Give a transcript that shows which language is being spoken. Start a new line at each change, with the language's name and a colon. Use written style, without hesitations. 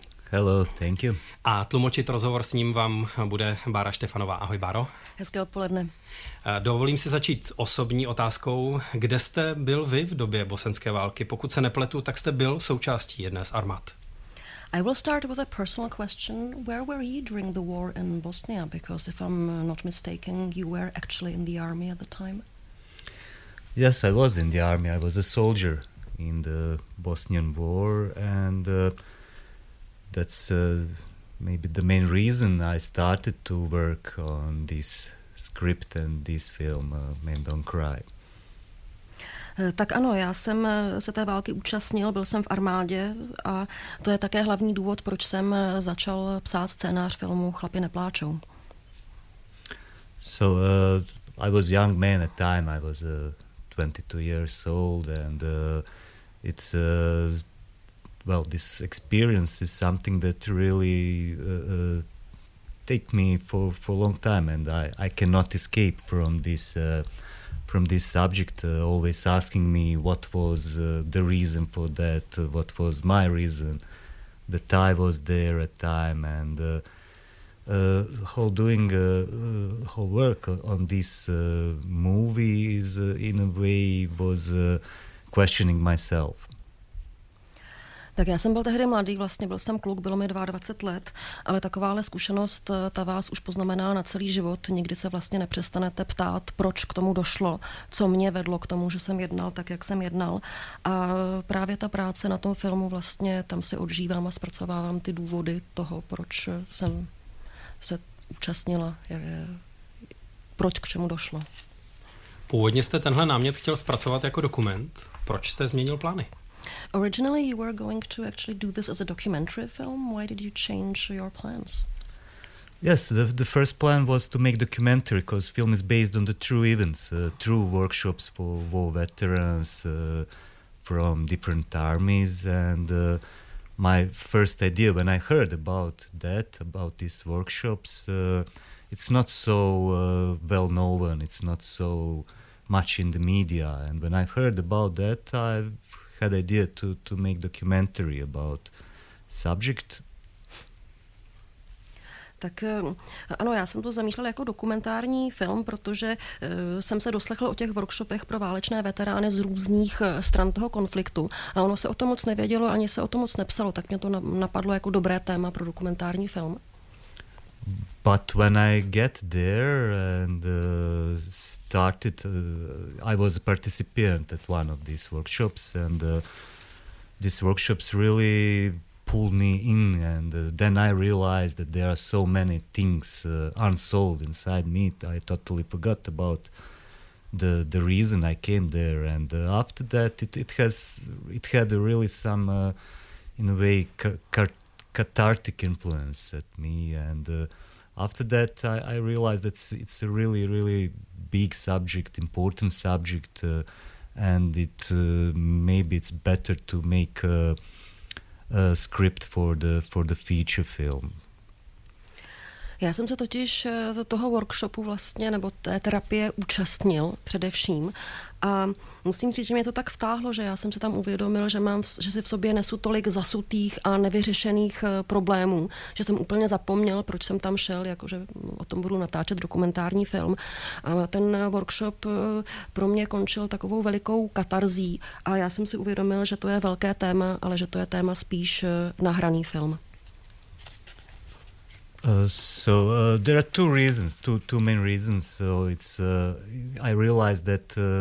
English: Hello, thank you.
Czech: A tlumočit rozhovor s ním vám bude Bára Štefanová. Ahoj, Báro. Hezké odpoledne. Dovolím si začít osobní otázkou. Kde jste byl vy v době bosenské války? Pokud se nepletu, tak jste byl součástí jedné z armád.
English: I will start with a personal question. Where were you during the war in Bosnia? Because if I'm not mistaken, you were actually in the army at the time. Yes, I was in the army. I was a soldier in the Bosnian war. And that's maybe the main reason I started to work on this script and this film, Men Don't Cry.
Czech: Tak ano, já jsem se té války účastnil, byl jsem v armádě a to je také hlavní důvod, proč jsem začal psát scénář filmu Chlapi nepláčou.
English: So I was young man at time, I was 22 years old and it's well, this experience is something that really take me for long time and I cannot escape from this subject, always asking me what was the reason for that, what was my reason, that I was there at time, and whole doing whole work on this movie is in a way was questioning myself.
Czech: Tak já jsem byl tehdy mladý, vlastně byl jsem kluk, bylo mi 22 let, ale takováhle zkušenost, ta vás už poznamená na celý život, nikdy se vlastně nepřestanete ptát, proč k tomu došlo, co mě vedlo k tomu, že jsem jednal tak, jak jsem jednal. A právě ta práce na tom filmu, vlastně tam si odžívám a zpracovávám ty důvody toho, proč jsem se účastnila, proč k čemu došlo. Původně jste tenhle námět chtěl zpracovat jako dokument, proč jste změnil plány?
English: Originally, you were going to actually do this as a documentary film. Why did you change your plans? Yes, the first plan was to make documentary because film is based on the true events, true workshops for war veterans from different armies. And my first idea when I heard about that, about these workshops, it's not so well known. It's not so much in the media. And when I heard about that, I've had idea to make documentary about subject.
Czech: Tak ano, já jsem to zamýšlel jako dokumentární film, protože jsem se doslechl o těch workshopech pro válečné veterány z různých stran toho konfliktu a ono se o tom moc nevědělo, ani se o tom moc nepsalo, tak mě to napadlo jako dobré téma pro dokumentární film.
English: But when I get there and started, I was a participant at one of these workshops and these workshops really pulled me in and then I realized that there are so many things unsolved inside me. I totally forgot about the reason I came there and after that it had really some, in a way, cathartic influence at me and after that I realized that it's a really, really big subject, important subject and it maybe it's better to make a script for the feature film.
Czech: Já jsem se totiž toho workshopu vlastně, nebo té terapie účastnil především a musím říct, že mě to tak vtáhlo, že já jsem se tam uvědomil, že si v sobě nesu tolik zasutých a nevyřešených problémů, že jsem úplně zapomněl, proč jsem tam šel, jakože o tom budu natáčet dokumentární film. A ten workshop pro mě končil takovou velikou katarzí a já jsem si uvědomil, že to je velké téma, ale že to je téma spíš nahraný film.
English: So there are two reasons, two main reasons. So it's I realized that